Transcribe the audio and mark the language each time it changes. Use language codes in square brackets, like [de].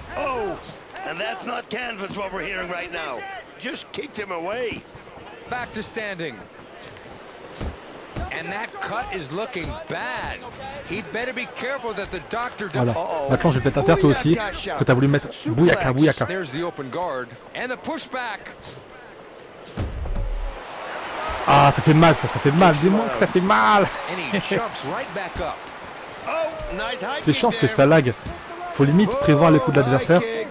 [en] Oh, and that's not canvas what we're hearing right now. Just kicked him away. Back to standing. And that cut is looking bad. He'd better be careful that the doctor. [fr] Voilà. Maintenant, je vais te mettre à terre toi aussi, que t'as voulu mettre bouillaka, bouillaka. [en] There's the open guard and the pushback. [fr] Ah, ça fait mal, ça fait mal. Dis-moi que ça fait mal. [en] And he jumps right back up. [fr] C'est chance que ça lag. Faut limite prévoir les coups de l'adversaire.